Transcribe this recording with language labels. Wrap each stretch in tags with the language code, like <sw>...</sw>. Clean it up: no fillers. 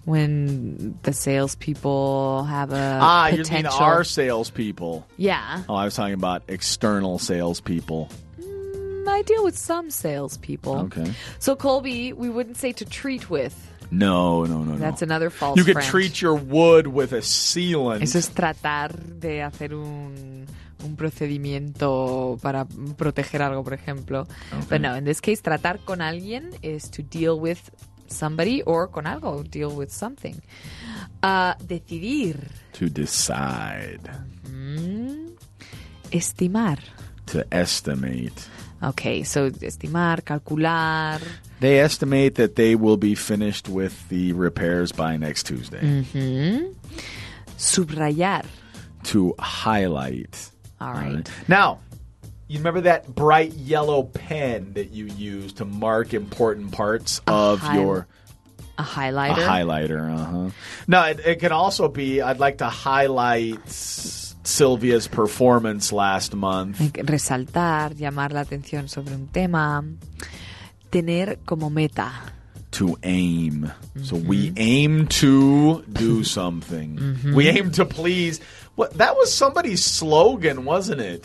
<en>When the salespeople have a potential. You mean our salespeople? Yeah. Oh, I was talking about external salespeople. I deal with some salespeople. Okay. So, Colby, we wouldn't say to treat with. No. That's another false friend. You could friend. Treat your wood with a sealant.</en> <es>Eso es tratar de hacer un procedimiento para proteger algo, por ejemplo.</es> <en>Okay. But no, in this case,</en> <es>tratar con alguien</es> <en>is to deal with somebody or</en> <es>con algo,</es> <en>deal with something.</en> <es>Decidir.</es> <en>To decide.</en> <es>Mm-hmm. Estimar.</es> <en>To estimate. Okay, so</en> <es>estimar, calcular.</es> <en>They estimate that they will be finished with the repairs by next Tuesday.</en> <es>Mm-hmm. Subrayar.</es> <en>To highlight. All right. Now, you remember that bright yellow pen that you use to mark important parts of your... A highlighter? A highlighter, uh-huh. Now, it can also be, I'd like to highlight Sylvia's performance last month.</en> <es>Resaltar, llamar la atención sobre un tema. Tener como meta.</es> <en>To aim. Mm-hmm. So we aim to do something. Mm-hmm. We aim to please. What, that was somebody's slogan, wasn't it?</en>